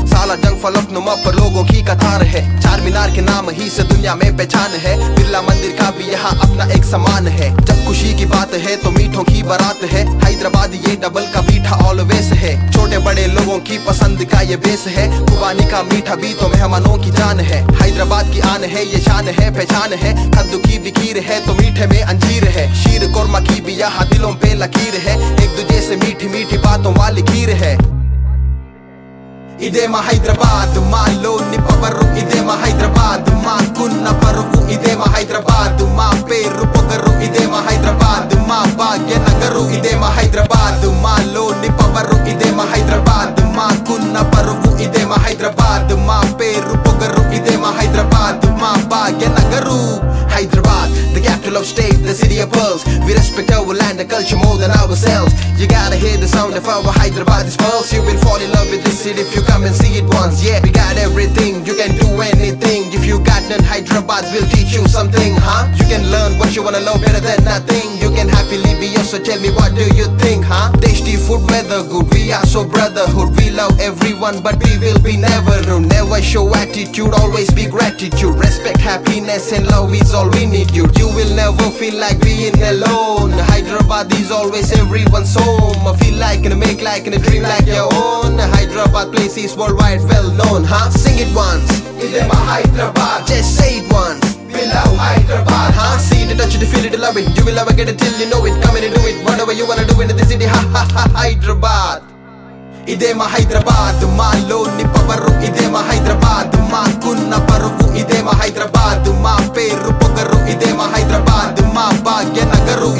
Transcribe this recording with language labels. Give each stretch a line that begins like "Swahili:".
Hindi: साला जंग फलक नुमा पर लोगों की कतार है, चार मीनार के नाम ही से दुनिया में पहचान है, बिरला मंदिर का भी यहाँ अपना एक समान है, जब खुशी की बात है तो मीठों की बारात है, हैदराबाद ये डबल का मीठा ऑलवेज है, छोटे बड़े लोगों की पसंद का ये बेस है, खुबानी का मीठा भी तो मेहमानों की जान है, हैदराबाद की आन है ये शान है पहचान है, कद्दू की भी खीर है तो मीठे में अंजीर है, शीर कोरमा की भी यहाँ दिलों पे लकीर है, एक दूजे से मीठी मीठी बातों वाली खीर है.
Telugu: ఇదే మా హైదరాబాద్, మాలోని పవరు ఇదే మా హైదరాబాద్, మాకున్న పరువు ఇదే మా హైదరాబాద్, మా పేరు పొగరు ఇదే మా హైదరాబాద్, మా భాగ్య నగరు ఇదే మా హైదరాబాద్, మాలోని పవరు ఇదే మా హైదరాబాద్, మాకున్న పరువు ఇదే మా హైదరాబాద్, మా పేరు పొగరు ఇదే మా హైదరాబాద్, మా భాగ్య Nagar.
English: Hyderabad, the capital of state, the city of pearls, we respect our land and culture more than ourselves, you gotta hear the sound of our Hyderabad pearls, you will fall in love with this city. If you come and see it once, yeah, we got everything, you can do anything, if you got none, Hyderabad will teach you something, huh, you can learn what you wanna know better than nothing, you can happily be yourself, so tell me what do you think, huh, tasty food, weather good, we are so brotherhood, we love everyone, but we will be never rude, never show attitude, always be gratitude, respect, happiness and love is all we need, you will never feel like being alone, Hyderabad is always everyone's home, feel like and make like and dream like your own, Hyderabad places worldwide well known, huh, sing it once,
Telugu: ide ma Hyderabad,
English: just say it once, we love Hyderabad, huh, see it, touch it, feel it, love it, you will ever get it till you know it, come in and do it, whatever you wanna do in this city, ha ha ha, Hyderabad.
Telugu: ఇదే మా Hyderabad, మాలోని power ఇదే మా హైదరాబాద్, మాకున్న పరువు ఇదే మా హైదరాబాద్, మా పేరు పొగరు ఇదే మా హైదరాబాద్, మా భాగ్య నగరు.